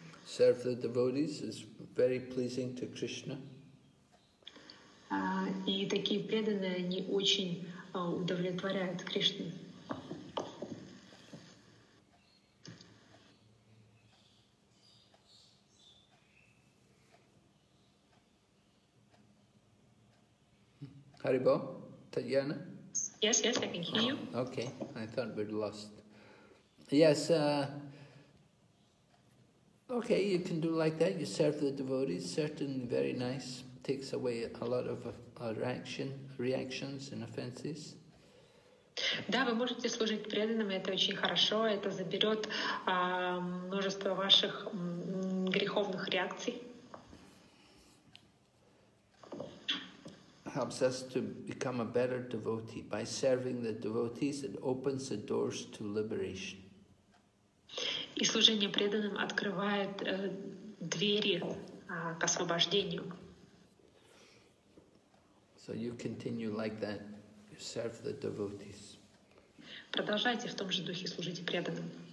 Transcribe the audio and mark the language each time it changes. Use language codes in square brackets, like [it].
[en] Serve the devotees is very pleasing to Krishna. [ru] И такие преданные они очень удовлетворяют Кришну. [en] Hari Bo, Tatyana? Yes, yes, I can hear you. Okay, I thought we'd lost. Yes, okay, you can do like that. You serve the devotees, certainly very nice. Takes away a lot of reactions and offenses. [ru] Да, вы можете служить преданным, это очень хорошо. Это заберет множество ваших греховных реакций. [en] Helps us to become a better devotee. By serving the devotees, it opens the doors to liberation. [ru] И служение преданным открывает двери к освобождению. [en] So you continue like that. You serve the devotees. [ru] Продолжайте в том же духе служить преданным.